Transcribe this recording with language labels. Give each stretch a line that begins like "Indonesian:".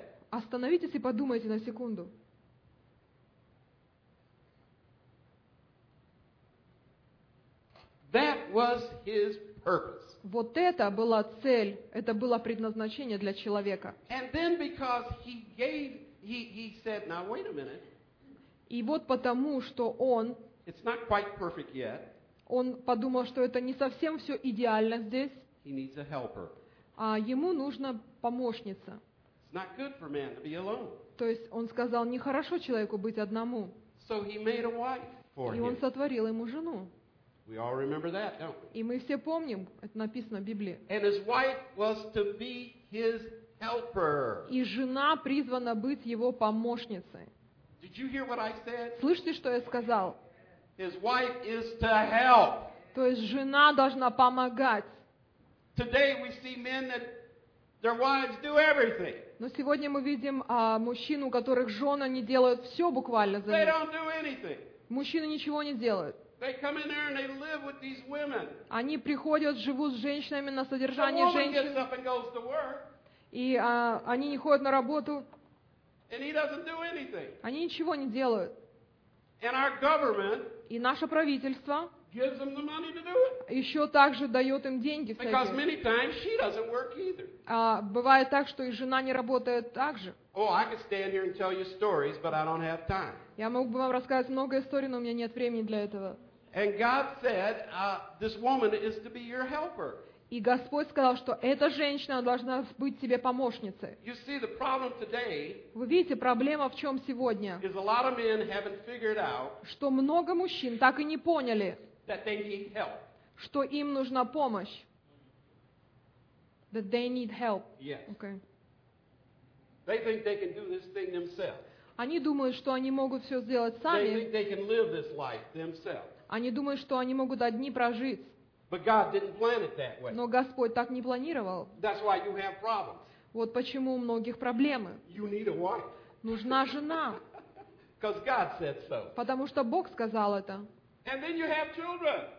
Russian: Остановитесь и подумайте на секунду.
English: That was his purpose.
Russian: Вот это была цель, это было предназначение для человека.
English: And then because he gave, he said, now wait a minute.
Russian: И вот потому, что он,
English: it's not quite perfect yet.
Russian: он подумал, что это не совсем все идеально здесь.
English: He needs a helper.
Russian: А ему нужна помощница.
English: It's not good for man to be alone.
Russian: То есть он сказал, нехорошо человеку быть одному.
English: So he made a wife for him.
Russian: И он сотворил ему жену.
English: We all remember that, don't we?
Russian: И мы все помним, это написано в Библии.
English: And his wife was to be his helper.
Russian: И жена призвана быть его помощницей.
English: Did you hear what I said?
Russian: Слышите, что я сказал?
English: His wife is to help.
Russian: То есть жена должна помогать.
English: Today we see men that their wives do everything.
Russian: Но сегодня мы видим мужчин, у которых жены не делают все буквально за них.
English: They don't do anything.
Russian: Мужчины ничего не делают.
English: They come in there and they live with these women.
Russian: Они приходят, живут с женщинами на содержание женщин.
English: Gets up and goes to work.
Russian: И они не ходят на работу.
English: And he doesn't do anything.
Russian: Они ничего не делают.
English: And our government.
Russian: И наше правительство
English: gives them the money to do it.
Russian: Еще также дает им деньги. Кстати.
English: Because many times she doesn't work either.
Russian: Бывает так, что и жена не работает также.
English: Oh, I could stand here and tell you stories, but I don't have time.
Russian: Я мог бы вам рассказать много историй, но у меня нет времени для этого.
English: And God said, this woman is to be your helper.
Russian: И Господь сказал, что эта женщина должна быть тебе помощницей.
English: You see, the problem today,
Russian: вы видите, проблема в чем сегодня?
English: Is a lot of men haven't figured out,
Russian: что много мужчин так и не поняли,
English: that they need help.
Russian: Что им нужна помощь.
English: That they need help. Yes. Okay. They think they can do this thing themselves.
Russian: Они думают, что они могут все сделать сами.
English: They think they can live this life themselves.
Russian: Они думают, что они могут одни прожить.
English: But God didn't plan it that way.
Russian: Но Господь так не планировал.
English: That's why you have problems.
Russian: Вот почему у многих проблемы.
English: You need a wife.
Russian: Нужна жена.
English: Because God said so.
Russian: Потому что Бог сказал это.
English: And then you have children.